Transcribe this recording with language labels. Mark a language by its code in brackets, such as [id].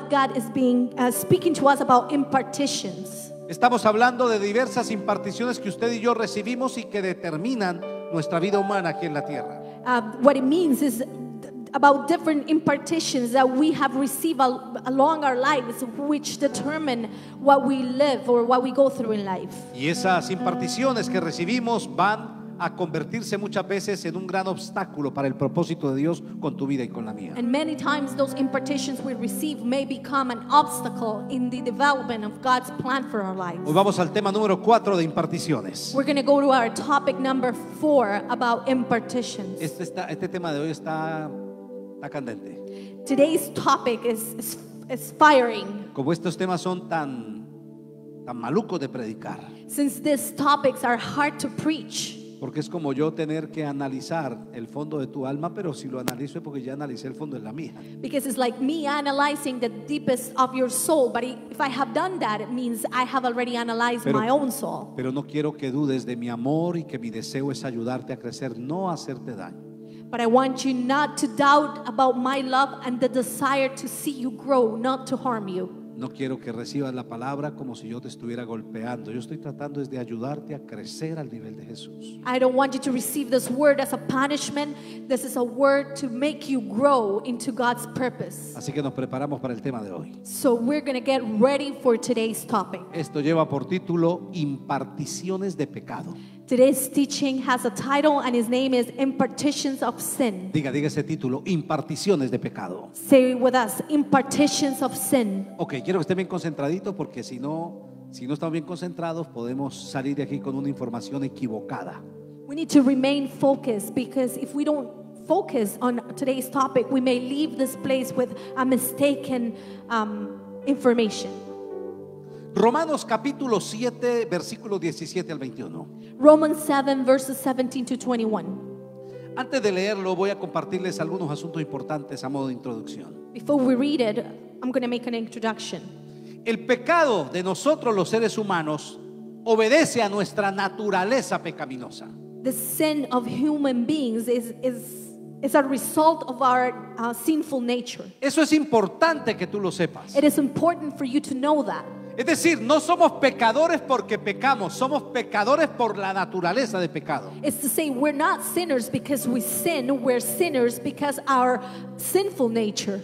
[en] God is being speaking to us about impartitions. [es] Estamos hablando de diversas imparticiones que usted y yo recibimos y que determinan nuestra vida humana aquí en la tierra. [en] What it means is about different impartitions that we have received along our lives, which determine what we live or what we go through in life. [es] Y esas imparticiones que recibimos van a convertirse muchas veces en un gran obstáculo para el propósito de Dios con tu vida y con la mía. [en] And many times those impartitions we receive may become an obstacle in the development of God's plan for our lives. [es] Hoy vamos al tema número 4 de imparticiones. [en] We're going to go to our topic number 4 about impartitions. [es] Este tema de hoy está candente. [en] Today's topic is firing. [es] Como estos temas son tan malucos de predicar. [en] Since these topics are hard to preach. [es] Porque es como yo tener que analizar el fondo de tu alma, pero si lo analizo es porque ya analicé el fondo de la mía. [en] Because it's like me analyzing the deepest of your soul, but if I have done that, it means I have already analyzed my own soul. [es] Pero no quiero que dudes de mi amor y que mi deseo es ayudarte a crecer, no hacerte daño. [en] But I want you not to doubt about my love and the desire to see you grow, not to harm you. [es] No quiero que recibas la palabra como si yo te estuviera golpeando. Yo estoy tratando de ayudarte a crecer al nivel de Jesús. [en] I don't want you to receive this word as a punishment. This is a word to make you grow into God's purpose. [es] Así que nos preparamos para el tema de hoy. [en] So we're going to get ready for today's topic. [es] Esto lleva por título Imparticiones de pecado. [en] Today's teaching has a title and his name is Impartitions of Sin. [es] Diga ese título, Imparticiones de pecado. [en] Say it with us, Impartitions of Sin. [es] Okay, quiero que estén bien concentraditos porque si no estamos bien concentrados, podemos salir de aquí con una información equivocada. [en] We need to remain focused because if we don't focus on today's topic, we may leave this place with a mistaken information. [es] Romanos capítulo 7, versículo 17 al 21. [en] Romans 7, verses 17 to 21. [es] Antes de leerlo, voy a compartirles algunos asuntos importantes a modo de introducción. [en] Before we read it, I'm going to make an introduction. [es] El pecado de nosotros los seres humanos obedece a nuestra naturaleza pecaminosa. [en] The sin of human beings is a result of our sinful nature. [es] Eso es importante que tú lo sepas. [en] It is important for you to know that. [es] Es decir, no somos pecadores porque pecamos, somos pecadores por la naturaleza de pecado. [en] It's to say we're not sinners because we sin, we're sinners because our sinful nature.